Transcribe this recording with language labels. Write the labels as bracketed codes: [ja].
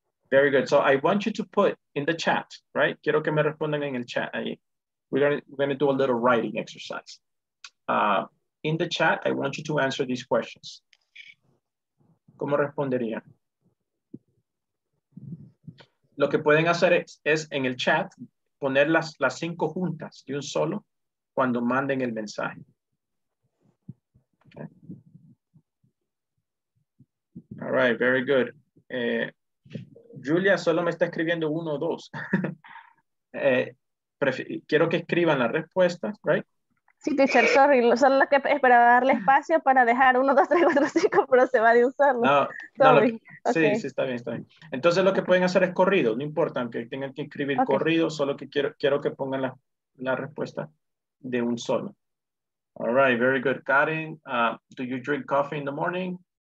[en] Very good. So I want you to put in the chat, right? [es] Quiero que me respondan en el chat. [en] We're going to do a little writing exercise. In the chat, I want you to answer these questions. [es] ¿Cómo respondería? Lo que pueden hacer es en el chat poner las 5 juntas de un solo cuando manden el mensaje. [en] Okay. All right, very good. [es] Julia solo me está escribiendo 1 o 2. quiero que escriban la respuesta, right? Sí, [en] teacher, sorry, [es] solo lo que esperaba darle espacio para dejar 1, 2, 3, 4, 5, pero se va de un solo. Sí, está bien. Entonces lo que pueden hacer es corrido, no importa, aunque tengan que escribir okay. Corrido, solo que quiero que pongan la respuesta de un solo. [en] All right, very good. Karen, do you drink coffee in the morning?